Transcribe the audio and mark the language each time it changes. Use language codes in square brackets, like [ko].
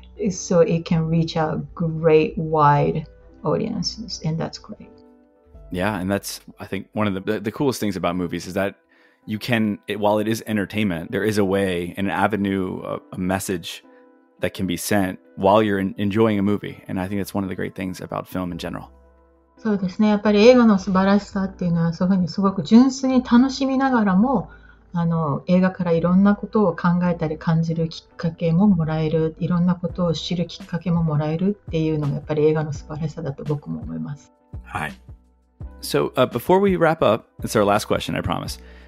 [en] So it can reach out great wide audiences, and that's great. Yeah, and that's, I think, one of the coolest things about movies is thatYou can, while it is entertainment, there is a way, an avenue, a message that can be sent while you're enjoying a movie. And I think that's one of the great things about film in general. [ja] そうですね。やっぱり映画の素晴らしさっていうのは、そういうふうにすごく純粋に楽しみながらも、映画からいろんなことを考えたり感じるきっかけももらえる、いろんなことを知るきっかけももらえるっていうのがやっぱり映画の素晴らしさだと僕も思います。はい。 [en] So, before we wrap up, it's our last question, I promise.